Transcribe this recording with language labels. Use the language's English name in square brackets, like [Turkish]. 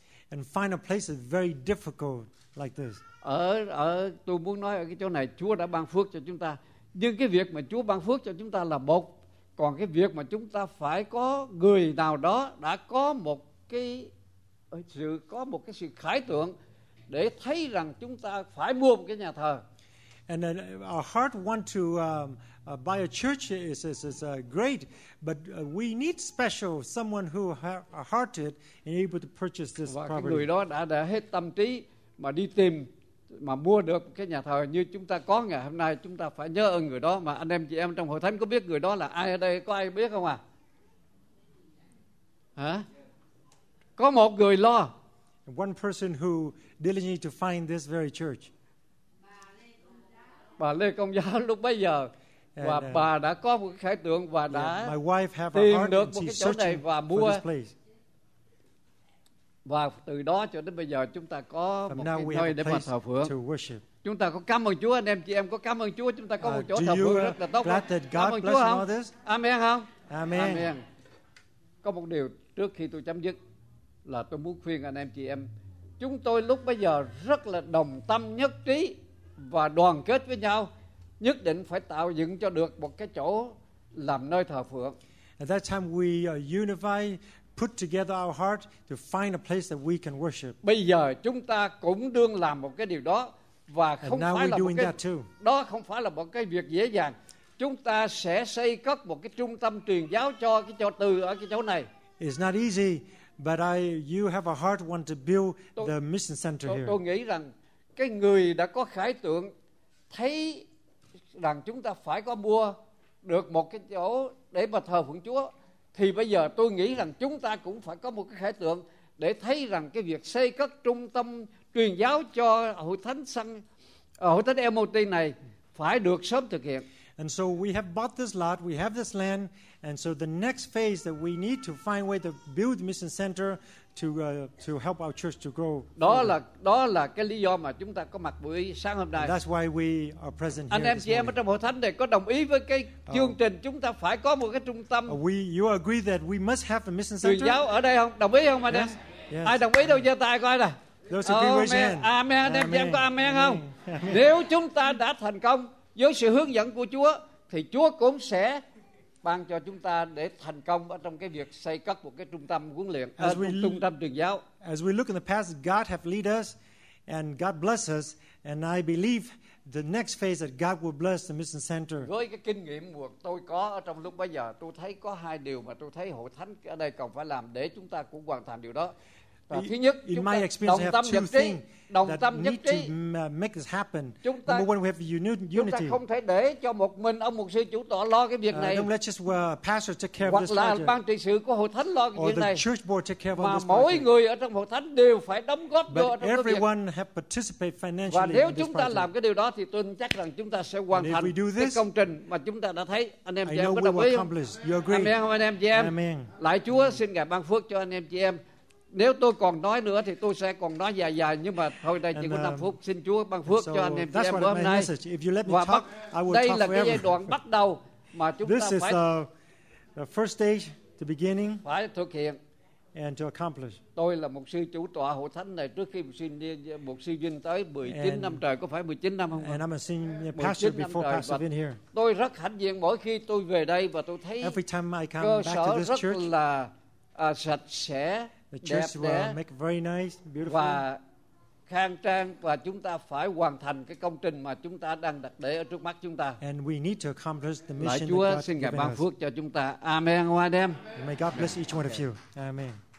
[English] And find a place is very difficult like this. [Vietnamese] Ở tôi muốn nói ở cái chỗ này Chúa đã ban phước cho chúng ta, nhưng cái việc mà Chúa ban phước cho chúng ta là một, còn cái việc mà chúng ta phải có người nào đó đã có một cái sự, có một cái sự khái tưởng để thấy rằng chúng ta phải mua một cái nhà thờ. [English] And then our heart want to buy a church is great, but we need special someone who hearted and able to purchase this [Vietnamese] và [English] property. [Vietnamese] Và người đó đã hết tâm trí mà đi tìm mà mua được cái nhà thờ như chúng ta có ngày hôm nay, chúng ta phải nhớ ơn người đó. Mà anh em chị em trong hội thánh có biết người đó là ai ở đây, có ai biết không ạ? Hả? Có một người lo. [English] One person who diligently to find this very church. [Vietnamese] Bà Lê Công Giáo lúc bấy giờ. And, và bà đã có một cái khái tượng và đã [English] yeah, my wife have [Vietnamese] tìm [English] heart [Vietnamese] được một cái chỗ này và mua. [English] This place. [Vietnamese] Và từ đó cho đến bây giờ chúng ta có [English] from [Vietnamese] một cái nơi để mà thờ phượng. [English] To worship. [Vietnamese] Chúng ta có cảm ơn Chúa, anh em chị em có cảm ơn Chúa, chúng ta có một chỗ thờ phượng rất là tốt. [English] Glad that God [Vietnamese] cảm ơn Chúa không? [English] This? [Vietnamese] Amen không? Amen. Amen. Có một điều trước khi tôi chấm dứt là tôi muốn khuyên anh em chị em, chúng tôi lúc bây giờ rất là đồng tâm nhất trí và đoàn kết với nhau, nhất định phải tạo dựng cho được một cái chỗ làm nơi thờ phượng. [English] At that time we unified, put together our heart to find a place that we can worship. [Vietnamese] Bây giờ chúng ta cũng đương làm một cái điều đó, và không phải là một cái, đó không phải là một cái việc dễ dàng. chúng ta sẽ xây cất một cái trung tâm truyền giáo cho cái chỗ từ ở cái chỗ này. [English] It's not easy, but you have a heart want to build the mission center here. [Vietnamese] Tôi nghĩ rằng cái người đã có khải tượng thấy rằng chúng ta phải có mua được một cái chỗ để mà thờ phượng Chúa, thì bây giờ tôi nghĩ rằng chúng ta cũng phải có một cái khải tượng để thấy rằng cái việc xây cất trung tâm truyền giáo cho hội thánh Sang, hội thánh MOT này phải được sớm thực hiện. [English] And so we have bought this lot, we have this land, and so the next phase that we need to find a way to build mission center to help our church to grow. [Vietnamese] Đó là cái lý do mà chúng ta có mặt buổi sáng hôm nay. [English] And that's why we are present [Vietnamese] anh [English] here. [Vietnamese] Anh em chị em trong hội thánh này có đồng ý với cái chương trình chúng ta phải có một cái trung tâm? [English] You agree that we must have a mission center? [Vietnamese] Truyền giáo ở đây không? Đồng ý không anh em? [English] Yes. [Vietnamese] Ai đồng ý đâu giơ tay coi nè. [English] Those who agree, raise hand. Amen. [Vietnamese] Anh em chị em có amen không? Amen. Nếu chúng ta đã thành công với sự hướng dẫn của Chúa thì Chúa cũng sẽ ban cho chúng ta để thành công ở trong cái việc xây cất một cái trung tâm huấn luyện, trung tâm truyền giáo. [English] As we look in the past, God have led us and God bless us, and I believe the next phase that God will bless the mission center. [Vietnamese] Với cái kinh nghiệm mà tôi có ở trong lúc bây giờ, tôi thấy có hai điều mà tôi thấy hội thánh ở đây cần phải làm để chúng ta cũng hoàn thành điều đó. Và thứ nhất, [English] in my experience, we have two things that need to make this happen. Number one, we have unity. [Vietnamese] Chúng ta không thể để cho một mình ông mục sư chủ tọa lo cái việc này. [English] Don't let just a pastor take care of this project. [Vietnamese] Hoặc là ban trị sự của hội thánh lo cái việc này. [English] Or the church board take care of this [Vietnamese] project. Mà mỗi người ở trong hội thánh đều phải đóng góp vào trong việc. [English] Everyone have participate financially. [Vietnamese] Và nếu chúng ta làm cái điều đó thì tôi chắc rằng chúng ta sẽ hoàn thành cái công trình mà chúng ta đã thấy. Anh em chị em có đồng ý không? Amen không anh em chị em? Amen. Lạy Chúa, xin Ngài ban phước cho anh em chị em. Nếu tôi còn nói nữa thì tôi sẽ còn nói dài dài, nhưng mà thôi đây chỉ có 5 phút. Xin Chúa ban phước cho anh em chị em hôm nay. Và đây là cái giai đoạn bắt đầu mà chúng ta phải [English] the first stage, the beginning, [Vietnamese] phải thực hiện. [English] And to accomplish. [Vietnamese] Tôi là một sư chủ tọa hội thánh này trước khi một sư Vinh tới 19 năm trời, có phải 19 năm không? [English] And I'm a senior pastor before Pastor Vinh here. [Vietnamese] Tôi rất hạnh diện mỗi khi tôi về đây và tôi thấy [English] every time I come back to this church, [Vietnamese] cơ sở rất là sạch sẽ. [English] The church will make very nice, beautiful. [Vietnamese] Và khang trang, và chúng ta phải hoàn thành cái công trình mà chúng ta đang đặt để ở trước mắt chúng ta. [English] And we need to accomplish the mission. [Vietnamese] Lạy Chúa, xin Ngài ban phước cho chúng ta. Amen. [English] May God bless each one of you. Amen.